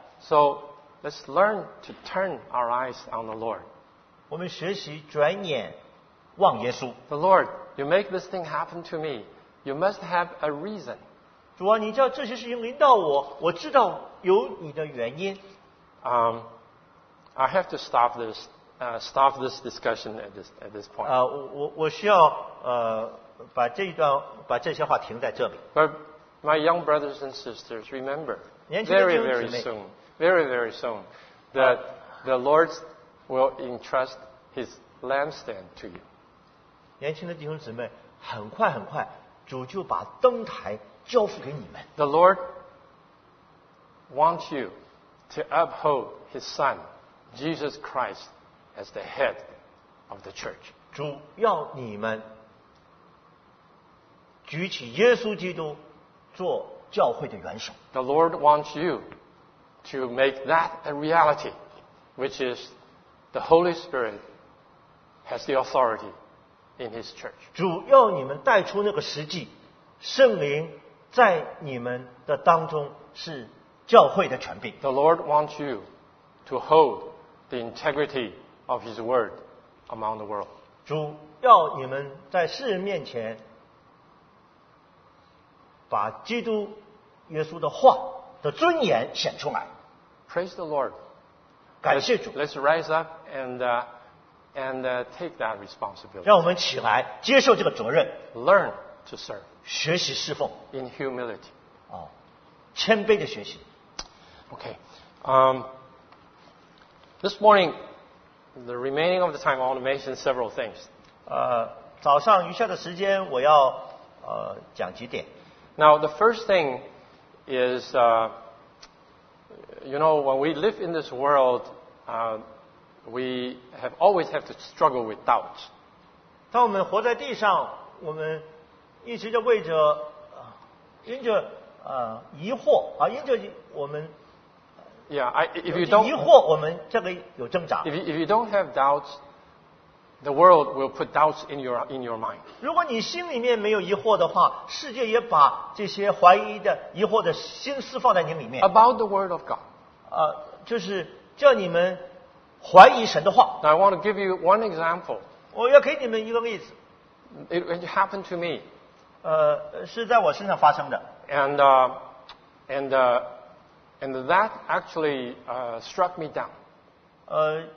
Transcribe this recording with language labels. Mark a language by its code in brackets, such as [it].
[en] So,Let's learn to turn our eyes on the Lord. [zh] 我们学习转眼望耶稣。 [en] The Lord, you make this thing happen to me. You must have a reason. [zh] 主啊，你叫这些事情临到我，我知道有你的原因。 [en] I have to stop this discussion at this point. [zh] 我需要把这一段把这些话停在这里。 [en] But my young brothers and sisters, remember, [zh] 年轻的弟兄姊妹, [en] very, very soon, that the Lord will entrust his lampstand to you. [zh] 年轻的弟兄姊妹，很快很快，主就把灯台交付给你们。 [en] The Lord wants you to uphold his son, Jesus Christ, as the head of the church. [zh] 主要你们举起耶稣基督做教会的元首。 [en] The Lord wants you to make that a reality, which is the Holy Spirit has the authority in His church. [zh] 主要你们带出那个实际，圣灵在你们的当中是教会的权柄。 [en] The Lord wants you to hold the integrity of His word among the world. [zh] 主要你们在世人面前把基督耶稣的话的尊严显出来。 [en] Praise the Lord. [zh] 感谢主。 [en] Let's rise up and take that responsibility. [zh] 让我们起来接受这个责任。 [en] Learn to serve. [zh] 学习侍奉。 [en] In humility. [zh] 哦，谦卑的学习。 [en] Okay. This morning, the remaining of the time, I want to mention several things. [zh] 早上余下的时间我要讲几点。 [en] Now, the first thing is, you know, when we live in this world, we have always have to struggle with doubts. [zh] 当我们活在地上，我们一直就为着因着疑惑啊，因着我们 [en] if you don't [zh] 疑惑，我们这个有挣扎。 [en] If you don't have doubts, the world will put doubts in your mind. [zh] 如果你心里面没有疑惑的话，世界也把这些怀疑的疑惑的心思放在你里面。 [en] About the word of God. [zh] 就是叫你们怀疑神的话。 [en] Now, I want to give you one example. [zh] 我要给你们一个例子。 [en] It happened to me. [zh] 是在我身上发生的。 [en] And that actually struck me down.